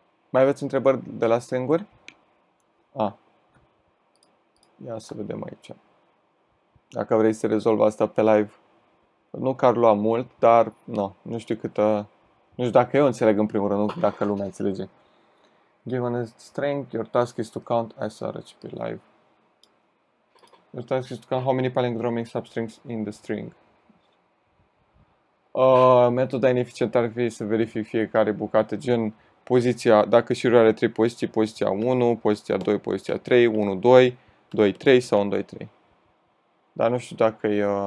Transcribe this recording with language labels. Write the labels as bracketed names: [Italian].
[Romanian] Mai aveți întrebări de la stringuri? A. Ia să vedem aici. Dacă vrei să rezolv asta pe live. Nu că ar lua mult, dar no, nu știu câtă, nu știu dacă eu înțeleg în primul rând, nu dacă lumea înțelege. [English] Given a string, your task is to count srcp live. Your task is to count how many palindromic substrings in the string. [Romanian] Metoda ineficientă ar fi să verific fiecare bucată, gen poziția, dacă și are 3 poziții, poziția 1, poziția 2, poziția 3, 1, 2, 2, 3 sau 1, 2, 3. Dar nu știu dacă e...